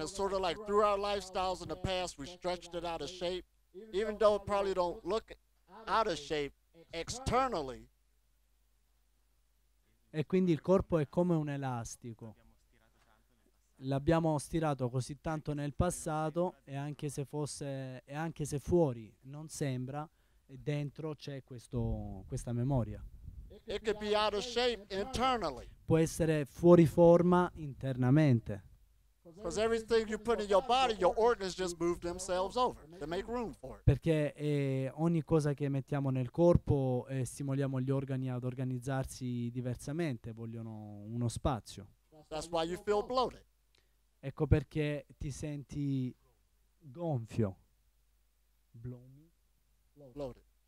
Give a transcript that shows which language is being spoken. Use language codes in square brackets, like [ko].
[en] It's sort of like through our lifestyles in the past, we stretched it out of shape. Even though it probably don't look out of shape externally. [it] E quindi il corpo è come un elastico. L'abbiamo stirato così tanto nel passato e anche se fosse e anche se fuori non sembra, dentro c'è questa memoria. [en] It could be out of shape internally. [it] Può essere fuori forma internamente. [en] Because everything you put in your body, your organs just move themselves over to make room for it. [it] Perché ogni cosa che mettiamo nel corpo stimoliamo gli organi ad organizzarsi diversamente, vogliono uno spazio. [en] That's why you feel bloated. [it] Ecco perché ti senti gonfio. [en] Bloated.